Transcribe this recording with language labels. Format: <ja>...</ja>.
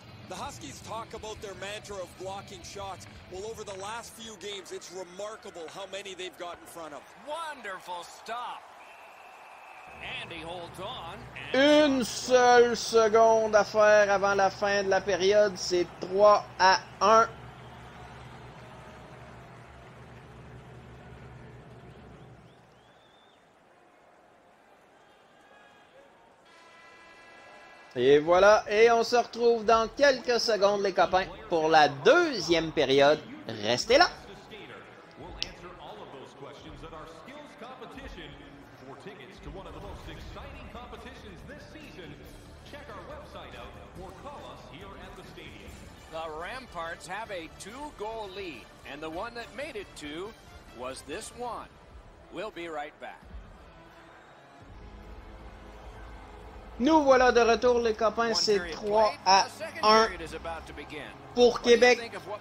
<en>Huskies talk about their mantra of blocking shots. Well, over the last few games, it's remarkable how many they've got in front of. Wonderful stop. And he holds on.</en> <fr>Une seule seconde à faire avant la fin de la période. C'est 3 à 1. Et voilà, et on se retrouve dans quelques secondes, les copains, pour la deuxième période. Restez là!</fr> <en>The Ramparts have a 2-goal lead, and the one that made it 2 was this one. We'll be right back.</en> <fr>Nous voilà de retour, les copains, c'est 3 à 1 pour Québec.</fr>